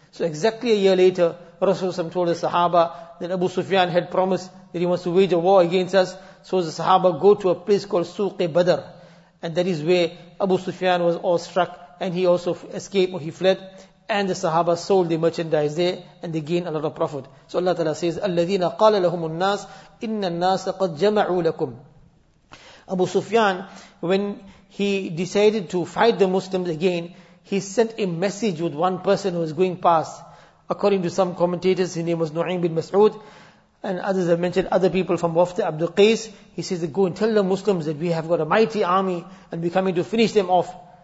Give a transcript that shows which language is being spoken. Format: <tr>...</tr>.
<en>So exactly a year later, Rasulullah told the Sahaba that Abu Sufyan had promised that he wants to wage a war against us. So the Sahaba go to a place called Suq-e Badr. And that is where Abu Sufyan was awestruck, and he also escaped, or he fled. And the Sahaba sold the merchandise there, and they gained a lot of profit. So Allah Ta'ala says,</en> <ar>أَلَّذِينَ قَالَ لَهُمُ النَّاسِ إِنَّ النَّاسَ قَدْ جَمَعُوا لَكُمْ.</ar> <en>Abu Sufyan, when he decided to fight the Muslims again, he sent a message with one person who was going past. According to some commentators, his name was Nu'aym bin Mas'ud, and others have mentioned other people from Wafda Abdul Qais. He says, go and tell the Muslims that we have got a mighty army and we're coming to finish them off.</en>